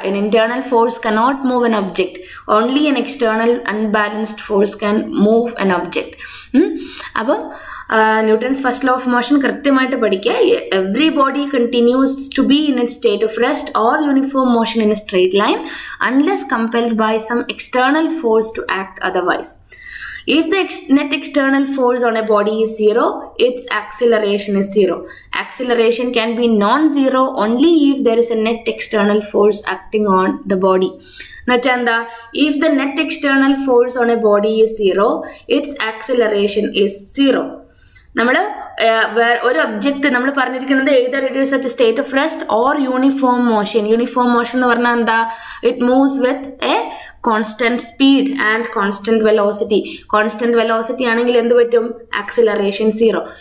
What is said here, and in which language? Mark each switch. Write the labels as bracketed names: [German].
[English] An internal force cannot move an object, only an external unbalanced force can move an object. [Malayalam] അപ്പം Newton's first law of motion കൃത്യമായിട്ട് പഠിക്കുക. [English] Every body continues to be in it state of rest or uniform motion in a straight line unless compelled by some external force to act otherwise. If the net external force on a body is zero, its acceleration is zero. Acceleration can be non-zero only if there is a net external force acting on the body. Nachanda, if the net external force on a body is zero, its acceleration is zero. [Malayalam] നമ്മൾ വേറെ ഒരു object, നമ്മൾ പറഞ്ഞിരിക്കുന്നത് [English] Either it is at state of rest or uniform motion. [Malayalam] Uniform motion എന്ന് പറഞ്ഞാൽ എന്താ, [English] It moves with a constant speed and constant velocity. [Malayalam] Constant velocity ആണെങ്കിൽ എന്ത് പറ്റും, ആക്സിലറേഷൻ സീറോ.